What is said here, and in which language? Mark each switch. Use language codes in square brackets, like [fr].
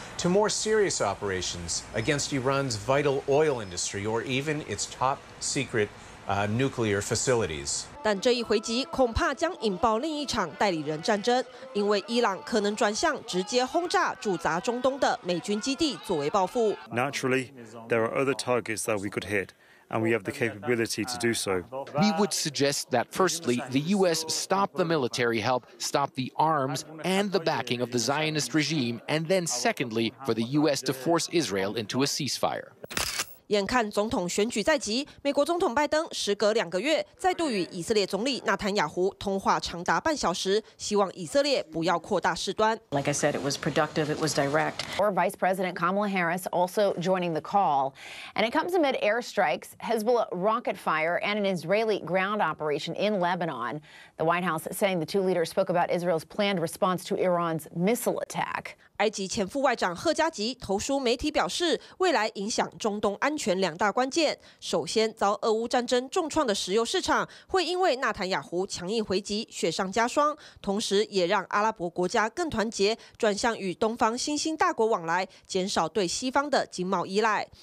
[en] To more serious operations against Iran's vital oil industry or even its top secret nuclear facilities. [zh] 但这一回击恐怕将引爆另一场代理人战争，因为伊朗可能转向直接轰炸驻扎中东的美军基地作为报复。 [en] Naturally, there are other targets that we could hit. And we have the capability to do so. We would suggest that firstly, the U.S. stop the military help, stop the arms and the backing of the Zionist regime, and then secondly, for the U.S. to force Israel into a ceasefire. [zh] 眼看总统选举在即，美国总统拜登时隔2个月再度与以色列总理纳坦雅胡通话长达30分钟，希望以色列不要扩大事端。 [en] Like I said, it was productive, it was direct. Our Vice President Kamala Harris also joining the call, and it comes amid airstrikes, Hezbollah rocket fire, and an Israeli ground operation in Lebanon. The White House saying the two leaders spoke about Israel's planned response to Iran's missile attack. [zh] 埃及前副外长赫加吉投书媒体表示，未来影响中东安全两大关键，首先遭俄乌战争重创的石油市场会因为纳坦雅胡强硬回击雪上加霜，同时也让阿拉伯国家更团结，转向与东方新兴大国往来，减少对西方的经贸依赖。